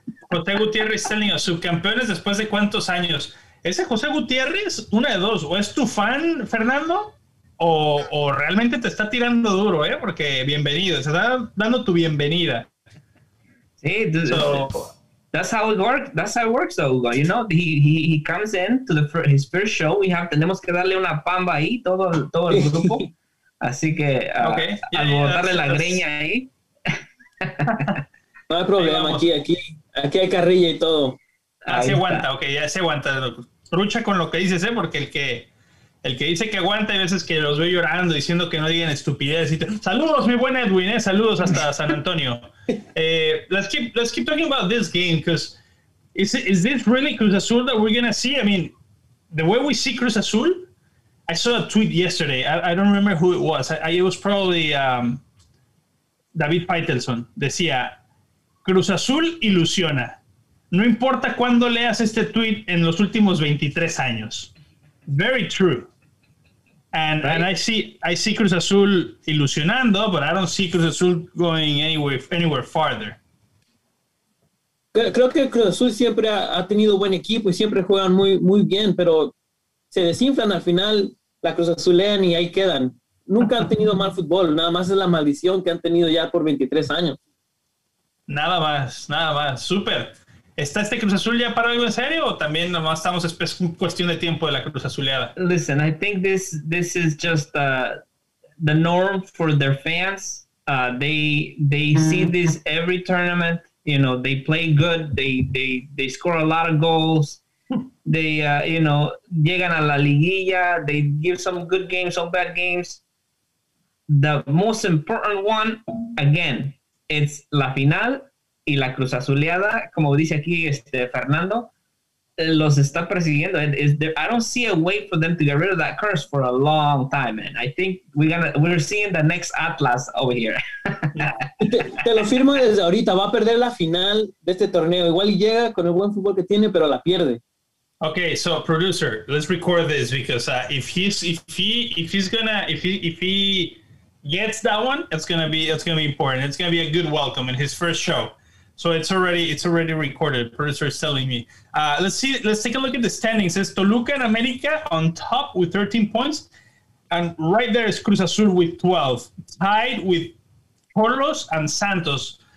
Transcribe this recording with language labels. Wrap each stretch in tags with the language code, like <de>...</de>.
<es>José Gutiérrez</es> <en>telling us,</en> <es>subcampeones después de cuántos años. Ese José Gutiérrez, una de dos, o es tu fan, Fernando, o realmente te está tirando duro, porque bienvenido, se está dando tu bienvenida.</es> <en>Hey, dude. So, that's how it works. That's how it works, though, Hugo. You know, he comes in to the his first show. We have</en> <es>tenemos que darle una pamba ahí todo el grupo. Así que alborotarle la greña ahí. No hay problema, aquí hay carrilla y todo. Así aguanta, ok, ya se aguanta. Rucha con lo que dices, porque el que dice que aguanta, hay veces que los ve llorando, diciendo que no digan estupidez. Saludos, mi buen Edwin, saludos hasta San Antonio.</es> <en>Let's keep talking about this game, because is this really Cruz Azul that we're going to see? I mean, the way we see Cruz Azul, I saw a tweet yesterday. I don't remember who it was. It was probably David Paitelson.</en> <es>Decía, Cruz Azul ilusiona. No importa cuándo leas este tweet en los últimos 23 años.</es> <en>Very true. And right. And I see Cruz Azul</en> <es>ilusionando,</es> <en>but I don't see Cruz Azul going anywhere farther.</en> <es>Creo que Cruz Azul siempre ha tenido buen equipo y siempre juegan muy, muy bien, pero se desinflan al final, la Cruz Azulean y ahí quedan. Nunca han tenido mal fútbol, nada más es la maldición que han tenido ya por 23 años. Nada más, súper. ¿Está este Cruz Azul ya para algo en serio o también nomás estamos es cuestión de tiempo de la Cruz Azuleada?</es> <en>Listen, I think this is just the norm for their fans. They see this every tournament. You know, they play good. They score a lot of goals. They, you know,</en> <es>llegan a la liguilla.</es> <en>They give some good games, some bad games. The most important one, again, it's la final.</en> <es>Y la Cruz Azuleada, como dice aquí Fernando, los está persiguiendo.</es> <en>I don't see a way for them to get rid of that curse for a long time, man. I think we're seeing the next Atlas over here.</en> <es>te lo firmo desde ahorita. Va a perder la final de este torneo. Igual y llega con el buen fútbol que tiene, pero la pierde.</es> <en>Okay, so producer, let's record this because if he gets that one, it's gonna be important. It's gonna be a good welcome in his first show. So it's already recorded. Producer is telling me. Let's take a look at the standings. It's Toluca and America on top with 13 points, and right there is Cruz Azul with 12, tied with Cholos and Santos.</en>